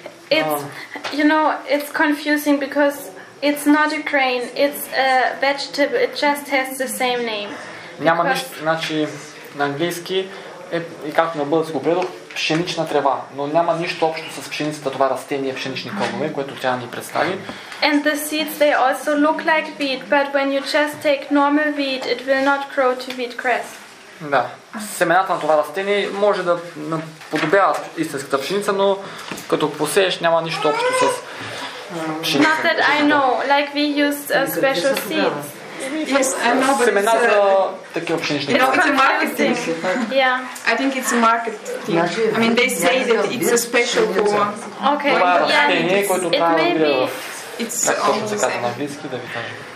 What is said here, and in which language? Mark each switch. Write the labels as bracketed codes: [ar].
[en] It's you know, it's confusing because it's not a grain, it's a vegetable. It just has the same name. [bg] Няма нищо, значи на английски е, и както на български го преведох, пшенична трева, но няма нищо общо с пшеницата, това растение, пшенични кълнове, което тя ни представи. [en] And the seeds, they also look like wheat, but when you just take normal wheat, it will not grow to wheat grass. [bg] Да, семената на това растение може да наподобяват истинската пшеница, но като посееш няма нищо общо с пшеницата. [en] Not that I know, like we used special seeds. Yes, I know, but [bg] семена за такива пшенични [en] кълнове. It's a market thing. Yeah. I think it's a market thing. I mean, they say that it's a special one. Okay. [bg] Това е растение, което трябва да бъде в... Как точно се казва на английски, да ви кажа.